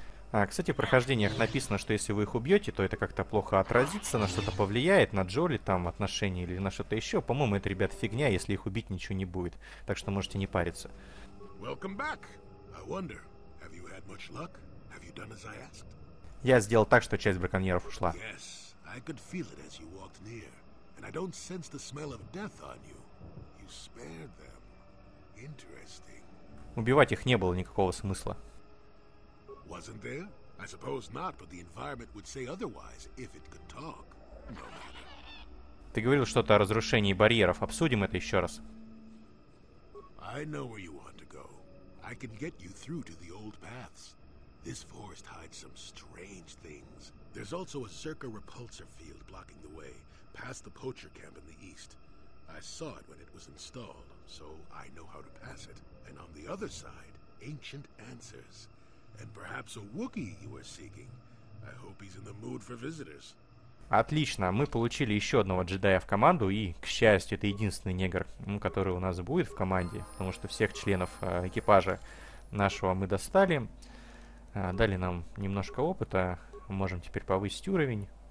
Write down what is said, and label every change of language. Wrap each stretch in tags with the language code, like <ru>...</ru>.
<ru>А, кстати, в прохождениях написано, что если вы их убьете, то это как-то плохо отразится, на что-то повлияет, на Джоли там отношения или на что-то еще. По-моему, это, ребят, фигня, если их убить, ничего не будет. Так что можете не париться.</ru> <en>Welcome back. I wonder, have you had much luck? Have you done as I asked?</en> <ru>Я сделал так, что часть браконьеров ушла.</ru> <en>Yes, I could feel it as you walked near, and I don't sense the smell of death on you. You spared them. Interesting.</en> <ru>Убивать их не было никакого смысла.</ru> <en>Wasn't there? I suppose not, but the environment would say otherwise if it could talk. No matter.</en> <ru>Ты говорил что-то о разрушении барьеров. Обсудим это еще раз.</ru> <en>I know where you want to go. I can get you through to the old paths. This forest hides some strange things. There's also a Zerka repulsor field blocking the way, past the poacher camp in the east. I saw it when it was installed, so I know how to pass it. And on the other side, ancient answers. And perhaps a Wookiee you are seeking. I hope he's in the mood for visitors.</en> <ru>Отлично, мы получили еще одного джедая в команду, и, к счастью, это единственный негр, который у нас будет в команде, потому что всех членов экипажа нашего мы достали, дали нам немножко опыта, можем теперь повысить уровень.</ru>